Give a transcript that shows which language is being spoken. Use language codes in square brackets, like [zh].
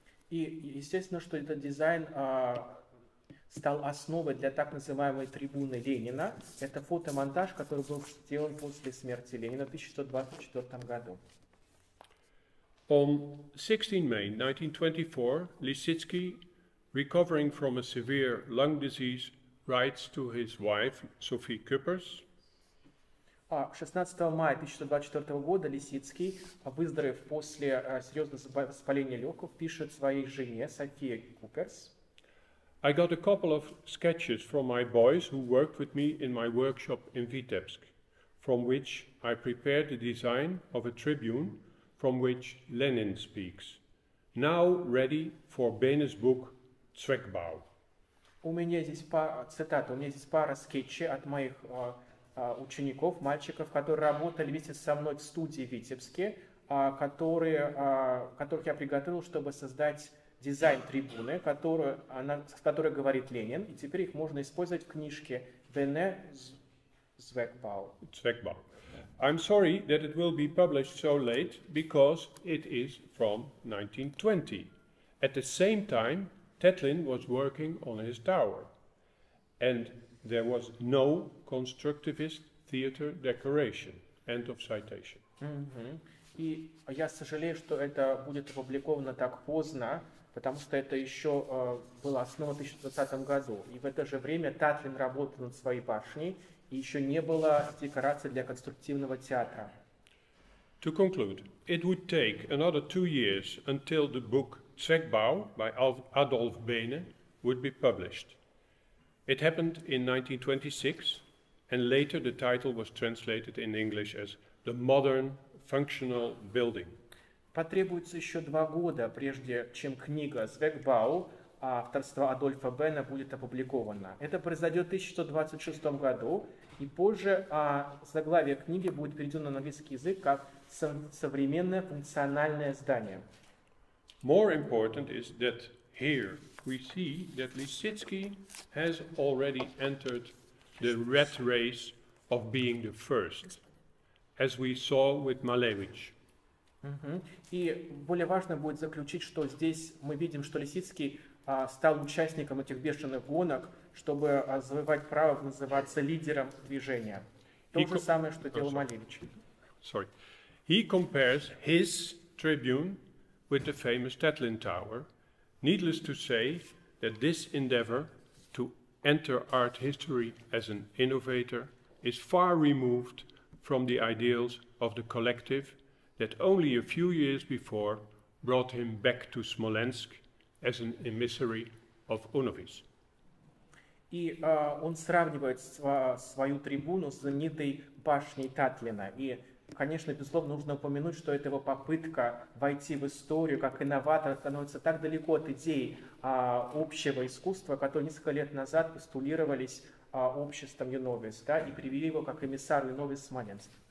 [ru] И естественно, что этот дизайн стал основой для так называемой трибуны Ленина. Это фотомонтаж, который был сделан после смерти Ленина в 1924 году. [en] On 16 May 1924, Лисицкий, recovering from a severe lung disease, writes to his wife, Sophie Küppers. [ru] 16 мая 1924 года Лисицкий, выздоровев после серьезного воспаления легких, пишет своей жене, Софии Куперс. [en] I got a couple of sketches from my boys who worked with me in my workshop in Vitebsk, from which I prepared the design of a tribune from which Lenin speaks, now ready for Bene's book Zweckbau. [ru] У меня здесь пара скетчей от моих учеников, мальчиков, которые работали вместе со мной в студии в Витебске, которых я приготовил, чтобы создать дизайн трибуны, с которой говорит Ленин, и теперь их можно использовать в книжке Бене Zweckbau. [de] Zweckbau. [en] I'm sorry that it will be published so late, because it is from 1920. At the same time, Tetlin was working on his tower, and there was no constructivist theater decoration. End of citation. Mm-hmm. [ru] И я сожалею, что это будет опубликовано так поздно, потому что это еще было основано в 1920 году. И в это же время Татлин работал над своей башней, и еще не было декорации для конструктивного театра. [en] To conclude, it would take another 2 years until the book Zweckbau by Adolf Bene would be published. It happened in 1926, and later the title was translated in English as The Modern Functional Building. [ru] Потребуется еще 2 года, прежде чем книга Zweckbau авторства Адольфа Бена будет опубликована. Это произойдет в 1926 году, и позже заглавие книги будет переведено на английский язык как «Современное функциональное здание». [en] More important is that here we see that Lisicki has already entered the rat race of being the first, as we saw with Малевич. [ru] И более важно будет заключить, что здесь мы видим, что Лисицкий стал участником этих бешеных гонок, чтобы завоевать право называться лидером движения. То же самое, что делал Малевич. [en] Sorry. He compares his tribune with the famous Tetlin Tower. Needless to say that this endeavor to enter art history as an innovator is far removed from the ideals of the collective that only a few years before brought him back to Smolensk as an emissary of UNOVIS. [ru] И он сравнивает свою трибуну с знаменитой башней Татлина. И, конечно, безусловно, нужно упомянуть, что это его попытка войти в историю как инноватор становится так далеко от идей общего искусства, которые несколько лет назад постулировались обществом UNOVIS, да, и привели его как эмиссар UNOVIS в Смоленск.